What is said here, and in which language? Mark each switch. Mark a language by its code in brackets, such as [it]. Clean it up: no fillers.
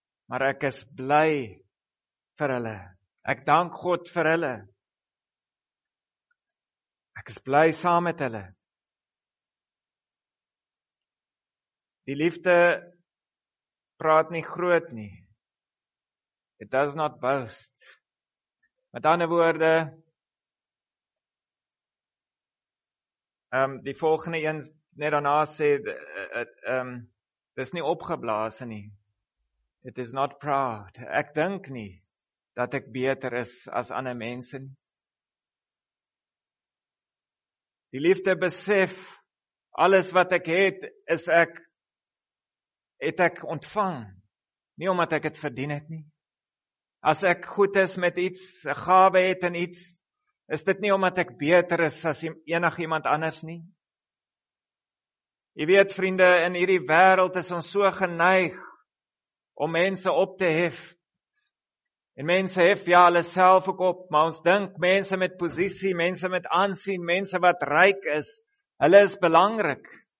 [af] Maar ek is bly vir hulle. Ek dank God vir hulle. Ek is bly saam met hulle. Die liefde praat nie groot nie. [en] It does not boast. [af] Met ander woorde, die volgende een net daarna sê, dit is nie opgeblase nie. [en] It is not proud. [af] Ek dink nie dat ek beter is as ander mense. Die liefde besef, alles wat ek het, het ek ontvang, nie omdat ek het verdien het nie. As ek goed is met iets, een gawe het en iets, is dit nie omdat ek beter is as enig iemand anders nie. Jy weet vriende, in hierdie wêreld is ons so geneig om mense op te hef. En mense hef ja hulle self ook op, maar ons dink mense met posisie, mense met aansien, mense wat ryk is, hulle is belangrik.